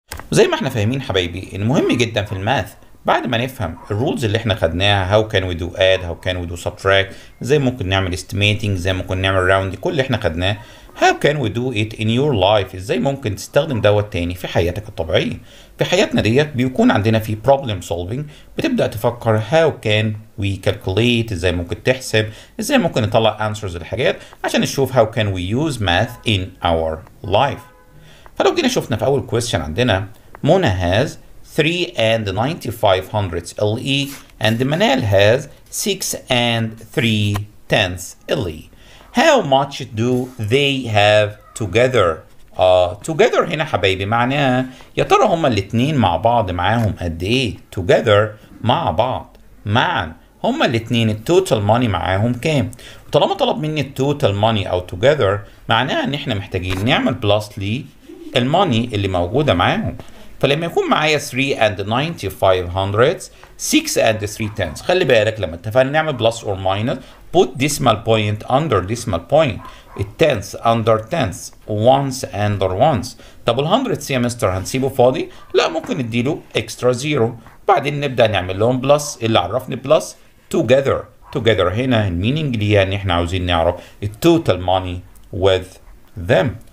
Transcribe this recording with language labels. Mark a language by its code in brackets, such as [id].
[ar] زي ما احنا فاهمين حبايبي ان مهم جدا في الماث بعد ما نفهم الرولز اللي احنا خدناها [en] how can we do add how can we do subtract [ar] زي ممكن نعمل استيميتنج زي ممكن نعمل راوند كل اللي احنا خدناه [en] how can we do it in your life [ar] ازاي ممكن تستخدم دوت تاني في حياتك الطبيعيه. في حياتنا ديت بيكون عندنا في بروبلم سولفنج بتبدا تفكر [en] how can we calculate [ar] ازاي ممكن تحسب ازاي ممكن نطلع انسرز للحاجات عشان نشوف [en] How can we use math in our life. [ar] فلو جينا شفنا في اول كويستشن عندنا [en] منى has 3 and 95 hundredths LE and منال has 6 and 3 tenths LE. How much do they have together? [ar] Together هنا حبايبي معناها يا ترى هما الاثنين مع بعض معاهم قد ايه؟ Together مع بعض معا هما الاثنين التوتال ماني معاهم كام؟ وطالما طلب مني التوتال ماني او together معناها ان احنا محتاجين نعمل بلس لي الماني اللي موجودة معاهم. فلما يكون معايا [en] 3 and 95 hundredths 6 and 3 tenths خلي بالك لما اتفقنا نعمل plus or minus put decimal point under decimal point التنس under tenths ones under ones. [ar] طب الهندردس يا مستر هنسيبه فاضي؟ لا ممكن نديله اكسترا زيرو بعدين نبدأ نعمل لهم بلس اللي عرفني بلس together. together هنا الميننج ليه ان احنا عاوزين نعرف التوتال ماني [en] with them.